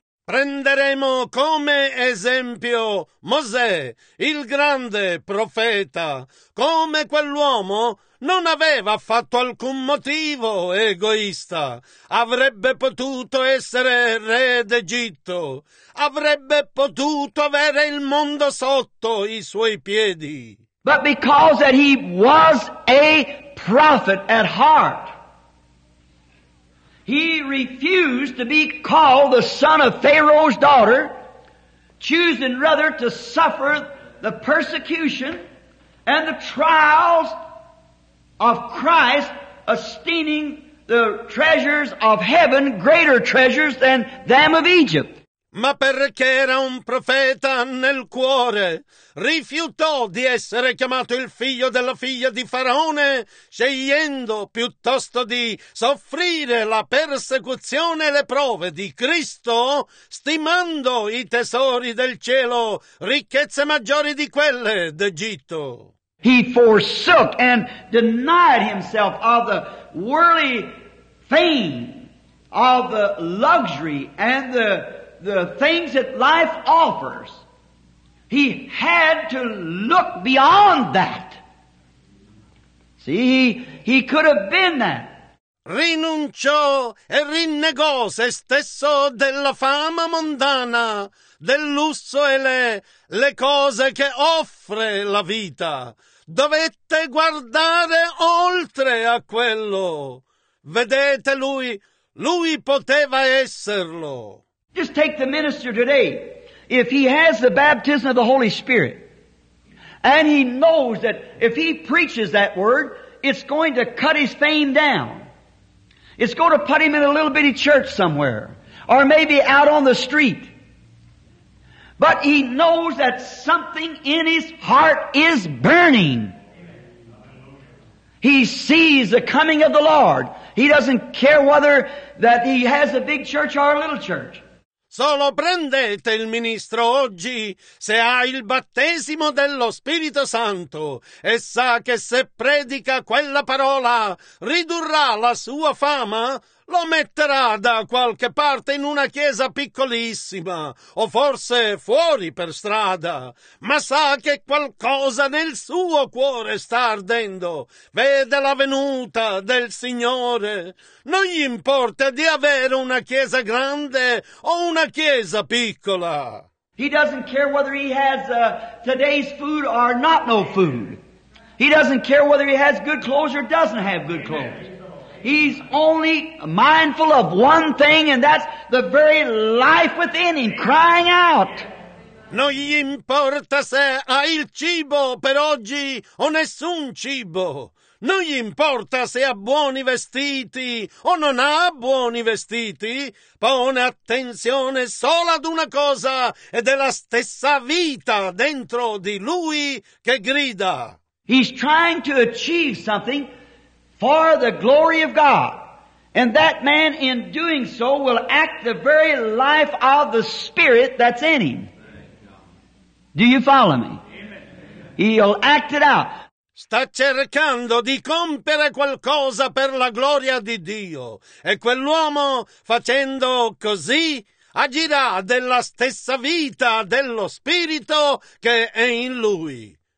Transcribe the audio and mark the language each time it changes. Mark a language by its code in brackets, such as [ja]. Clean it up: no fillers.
[it] Prenderemo come esempio Mosè, il grande profeta. Come quell'uomo non aveva affatto alcun motivo egoista. Avrebbe potuto essere re d'Egitto. Avrebbe potuto avere il mondo sotto i suoi piedi. [en] But because that he was a prophet at heart, he refused to be called the son of Pharaoh's daughter, choosing rather to suffer the persecution and the trials of Christ, esteeming the treasures of heaven greater treasures than them of Egypt. [it] Ma perché era un profeta nel cuore, rifiutò di essere chiamato il figlio della figlia di Faraone, scegliendo piuttosto di soffrire la persecuzione e le prove di Cristo, stimando i tesori del cielo, ricchezze maggiori di quelle d'Egitto. [en] He forsook and denied himself of the worldly fame, of the luxury and the the things that life offers, he had to look beyond that. See, he could have been that. [it] Rinunciò e rinnegò se stesso della fama mondana, del lusso e le cose che offre la vita. Dovette guardare oltre a quello. Vedete, lui poteva esserlo. [en] Just take the minister today. If he has the baptism of the Holy Spirit, and he knows that if he preaches that word, it's going to cut his fame down. It's going to put him in a little bitty church somewhere, or maybe out on the street. But he knows that something in his heart is burning. He sees the coming of the Lord. He doesn't care whether that he has a big church or a little church. [it] Solo prendete il ministro oggi, se ha il battesimo dello Spirito Santo, e sa che se predica quella parola, ridurrà la sua fama, lo metterà da qualche parte in una chiesa piccolissima, o forse fuori per strada, ma sa che qualcosa nel suo cuore sta ardendo, vede la venuta del Signore. Non gli importa di avere una chiesa grande o una chiesa piccola. [en] He doesn't care whether he has today's food or not no food. He doesn't care whether he has good clothes or doesn't have good clothes. He's only mindful of one thing, and that's the very life within him, crying out. [it] Non gli importa se ha il cibo per oggi o nessun cibo. Non gli importa se ha buoni vestiti o non ha buoni vestiti. Pone attenzione solo ad una cosa, ed è la stessa vita dentro di lui che grida. [en] He's trying to achieve something for the glory of God. And that man in doing so will act the very life of the Spirit that's in him. Do you follow me? Amen. He'll act it out. [it] Sta cercando di compiere qualcosa per la gloria di Dio. E quell'uomo, facendo così, agirà della stessa vita dello Spirito che è in lui.